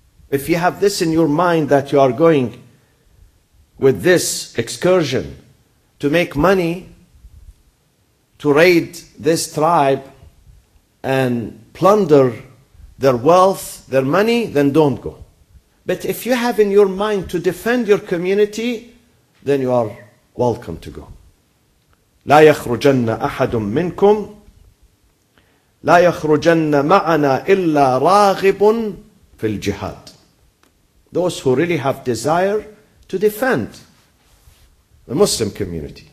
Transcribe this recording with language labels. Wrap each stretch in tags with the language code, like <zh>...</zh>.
<en>If you have this in your mind that you are going with this excursion to make money, to raid this tribe and plunder their wealth, their money, then don't go. But if you have in your mind to defend your community, then you are welcome to go.</en> <ar>لا يخرجن أحد منكم لا يخرجن معنا إلا راغب في الجهاد.</ar> <en>Those who really have desire to defend the Muslim community.</en>